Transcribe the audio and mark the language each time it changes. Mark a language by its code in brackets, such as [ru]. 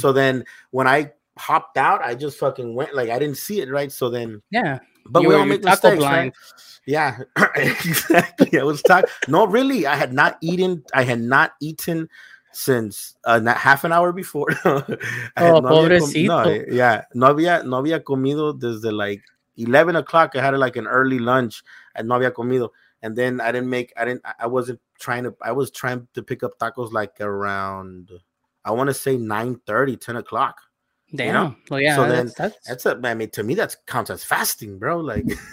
[en] So then when I hopped out, I just fucking went, like, I didn't see it, right? So then, yeah. But we all make mistakes, blind. Right? Yeah. Exactly. I was talking. No, really. I had not eaten. I had not eaten since not half an hour before. [es] No había comido desde [en] like 11 o'clock. I had like an early lunch and [es] no había comido. [en] And then I was trying to pick up tacos like around, I want to say 9:30, 10 o'clock. Damn. You know? Well, yeah. So that counts as fasting, bro. Like,